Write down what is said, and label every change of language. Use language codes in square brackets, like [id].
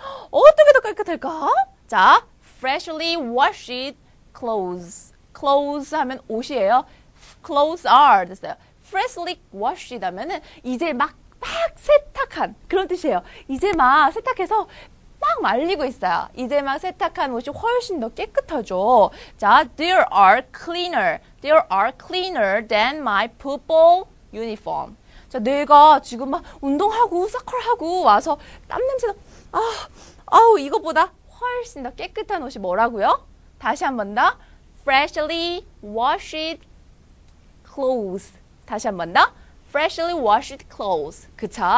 [ko] 어떤 게 더 깨끗할까? 자, [en] freshly washed clothes. [ko] clothes 하면 옷이에요. clothes are 됐어요. freshly washed 하면은 이제 막 세탁한 그런 뜻이에요. 이제 막 세탁해서 막 말리고 있어요. 이제 막 세탁한 옷이 훨씬 더 깨끗하죠. [en] 자, there are cleaner. There are cleaner than my football uniform. [ko] 자, 내가 지금 막 운동하고 우스컬하고 와서 땀 냄새도 아우 이거보다 훨씬 더 깨끗한 옷이 뭐라고요? 다시 한번 더. [en] Freshly washed clothes. [ko] 다시 한번 더. [en] Freshly washed clothes. 그쵸?